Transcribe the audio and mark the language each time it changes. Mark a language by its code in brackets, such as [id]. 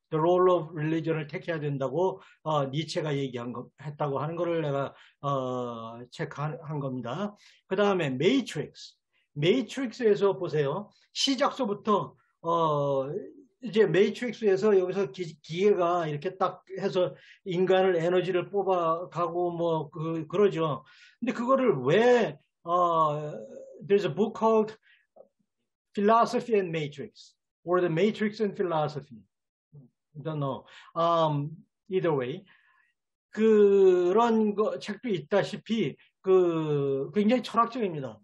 [en] The role of religion [ko] 을 택해야 된다고 니체가 했다고 하는 거를 내가 체크한 겁니다. 그 다음에 매트릭스에서 보세요. 시작서부터 이제 매트릭스에서 여기서 기계가 이렇게 딱 해서 인간을 에너지를 뽑아가고 뭐 그러죠. 근데 그거를 왜 [en] There's a book called Philosophy and Matrix or The Matrix and Philosophy. Don't know. Either way. [ko] 그런 거 책도 있다시피 굉장히 철학적입니다.